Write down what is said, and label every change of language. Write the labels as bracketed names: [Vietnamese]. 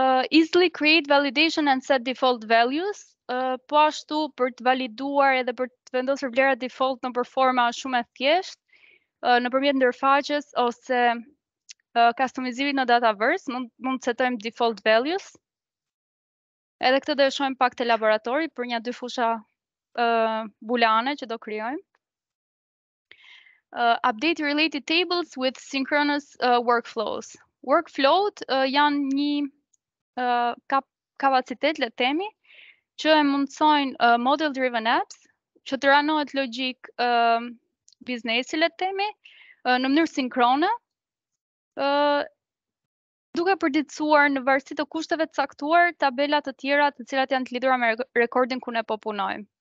[English] easily create validation and set default values. [Albanian] Po ashtu për të validuar edhe për të vendosur vlera default në performa shumë e thjesht, nëpërmjet ndërfaqjes ose customizimit në dataverse, mund të setojmë default values. Edhe këtë do e shohim pak te laboratori për një dy fusha booleane që do krijojmë. [English] Update related tables with synchronous workflows. [Albanian] Workflowt janë një kapacitet, le themi, që e mundësojnë model driven apps që të ranohet logjik biznesi, le themi, në mënyrë sinkrone, duke përditësuar në varësi të kushteve të caktuar tabela të tjera të cilat janë të lidhura me recording ku ne po punojmë.